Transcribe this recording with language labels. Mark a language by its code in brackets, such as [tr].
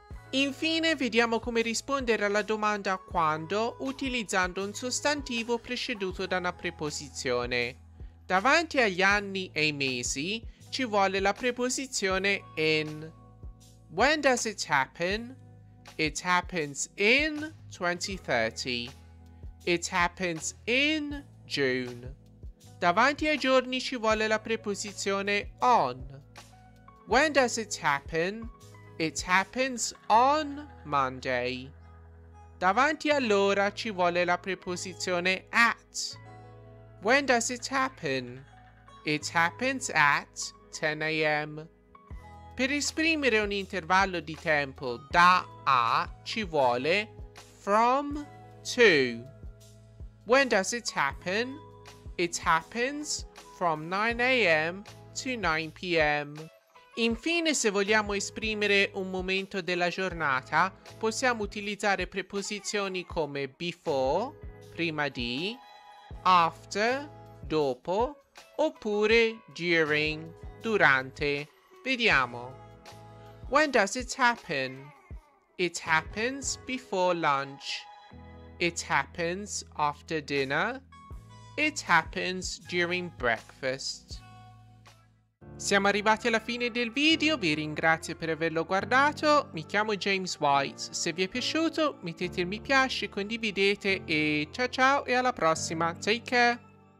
[it] Infine, vediamo come rispondere alla domanda quando utilizzando un sostantivo preceduto da una preposizione. Davanti agli anni e ai mesi ci vuole la preposizione in. [en] When does it happen? It happens in 2030. It happens in June. [it] Davanti ai giorni ci vuole la preposizione on. [en] When does it happen? It happens on Monday. [it] Davanti all'ora ci vuole la preposizione at. [en] When does it happen? It happens at 10 a.m. [it] Per esprimere un intervallo di tempo da a ci vuole from to. [en] When does it happen? It happens from 9 a.m. to 9 p.m. [it] Infine, se vogliamo esprimere un momento della giornata, possiamo utilizzare preposizioni come before, prima di, after, dopo, oppure during, durante. Vediamo. [en] When does it happen? It happens before lunch. It happens after dinner. It happens during breakfast. [it] Siamo arrivati alla fine del video, vi ringrazio per averlo guardato, mi chiamo James White, se vi è piaciuto mettete il mi piace, condividete e ciao ciao e alla prossima, [en] take care!